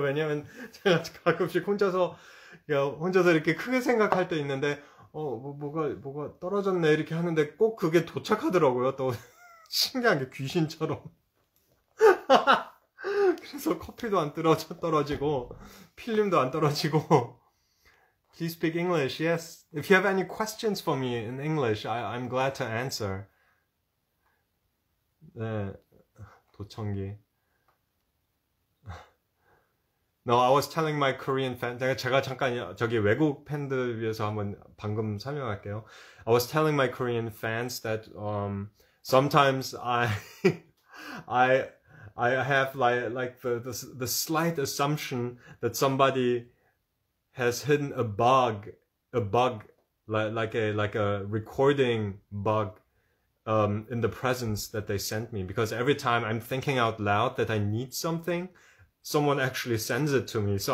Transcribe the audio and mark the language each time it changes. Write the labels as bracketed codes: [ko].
[ko] 왜냐면 제가 가끔씩 혼자서 이렇게 크게 생각할 때 있는데, 뭐가 떨어졌네 이렇게 하는데 꼭 그게 도착하더라고요. 또 신기하게 귀신처럼. 그래서 커피도 떨어지고 필름도 안 떨어지고. [en] Please speak English. Yes. If you have any questions for me in English, I'm glad to answer. [ko] 네. 도청기. [en] No, I was telling my Korean fan. [ko] 제가 잠깐 저기 외국 팬들 위해서 한번 방금 설명할게요. [en] I was telling my Korean fans that sometimes I have like the slight assumption that somebody has hidden a bug like a recording bug in the presents that they sent me, because every time I'm thinking out loud that I need something, someone actually sends it to me.